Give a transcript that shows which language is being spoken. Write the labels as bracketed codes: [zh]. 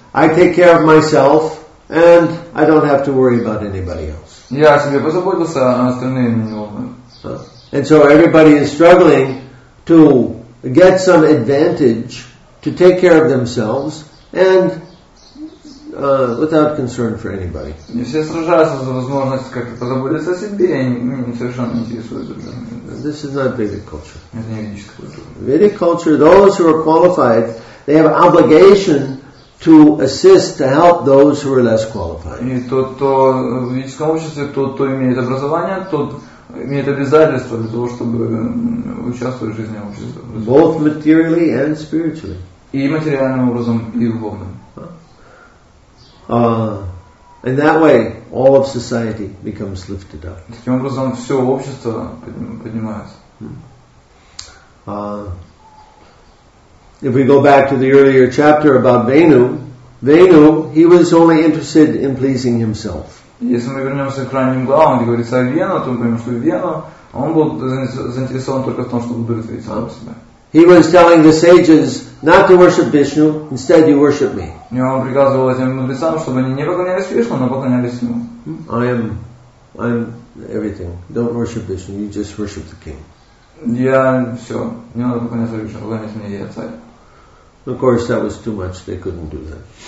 [en] I take care of myself, and I don't have to worry about anybody else. [ru] Я о себе позаботился, а остальные не волнуют. [en] And so everybody is struggling to get some advantage, to take care of themselves, and without concern for anybody. [ru] Все сражаются за возможность как-то позаботиться о себе, и совершенно не интересуют друг друга. [en] This is not Vedic culture. [ru] Это не ведическая культура. [en] Vedic culture, those who are qualified, they have obligation to assist, to help those who are less qualified. [ru] И тот в ведическом обществе, кто имеет образование, тот имеет обязательство для того, чтобы участвовать в жизни общества. [en] Both materially and spiritually. [ru] И материальным образом, и духовным. [en] And that way, all of society becomes lifted up. [ru] Таким образом, все общество поднимается. [en] If we go back to the earlier chapter about Venu, Venu, he was only interested in pleasing himself. [ru] Если мы вернемся к ранним главам, где говорится о Вену, то мы понимаем, что Вену, он был заинтересован только в том, чтобы удовлетворить самого себя. [en] He was telling the sages not to worship Vishnu, instead you worship me. [ru] И он приказывал этим мудрецам, чтобы они не поклонялись Вишну, но поклонялись ему. [en] I'm everything. Don't worship Vishnu, you just worship the king. [ru] Я все, не надо поклоняться Вишну, поклоняться мне, я царь. [en] Of course, that was too much, they couldn't do that.